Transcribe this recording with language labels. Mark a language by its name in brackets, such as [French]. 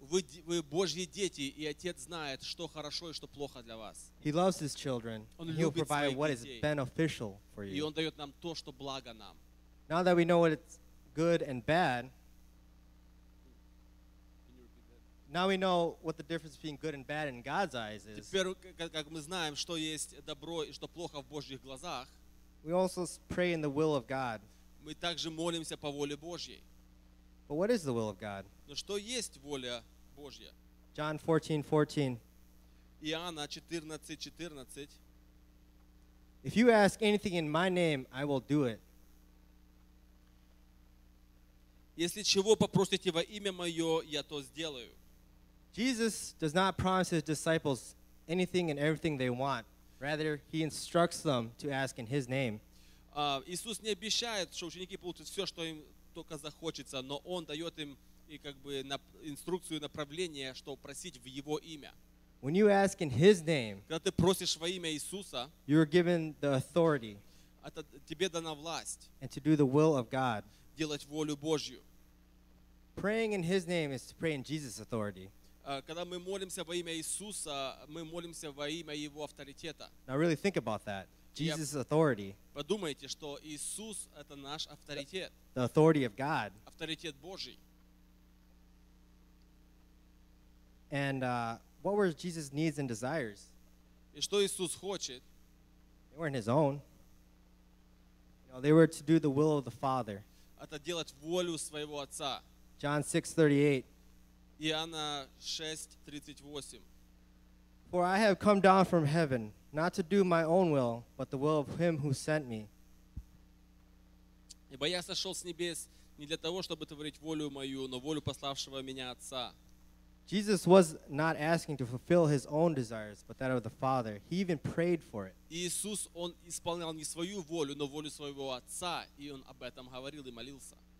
[Russian] Вы Божьи дети, и Отец знает, что хорошо и что плохо для вас. [English] He loves His children, and He'll provide what [Russian] детей. [English] Is beneficial for you. [Russian] И Он дает нам то, что благо нам. [English] Now that we know what is good and bad, now we know what the difference between good and bad in God's eyes is. [Russian] Теперь, как мы знаем, что есть добро и что плохо в Божьих глазах, [English] we also pray in the will of God. [Russian] Мы также молимся по воле Божьей. [English] But what is the will of God? [Russian] Но что есть воля Божья? [English] John 14:14. [Russian] Иоанна 14:14. [English] If you ask anything in my name, I will do it. [Russian] Если чего попросите во имя Мое, я то сделаю. [English] Jesus does not promise His disciples anything and everything they want. Rather, He instructs them to ask in His name. [Russian] Иисус не обещает, что ученики получат все, что им только захочется, но Он дает им и как бы инструкцию, направление, что просить в Его имя. [English] When you ask in His name, [Russian] когда ты просишь во имя Иисуса, [English] you are given the authority, [Russian] это тебе дана власть, [English] and to do the will of God, [Russian] делать волю Божью. [English] Praying in His name is to pray in Jesus' authority. [Russian] Когда мы молимся во имя Иисуса, мы молимся во имя Его авторитета. [English] Now really think about that. Jesus' authority. [Russian] Подумайте, что Иисус — это наш авторитет. [English] The authority of God. [Russian] Авторитет Божий. [English] And what were Jesus' needs and desires? [Russian] И что Иисус хочет? [English] They weren't His own. You know, they were to do the will of the Father. [Russian] Это делать волю своего Отца. [English] John 6:38. [Russian] Иоанна 6:38. [English] For I have come down from heaven, not to do my own will, but the will of Him who sent me. [Russian] Ибо я сошел с небес не для того, чтобы творить волю мою, но волю пославшего меня Отца. [English] Jesus was not asking to fulfill His own desires, but that of the Father. He even prayed for it. [Russian] Иисус, Он исполнял не свою волю, но волю своего Отца, и Он об этом говорил и молился.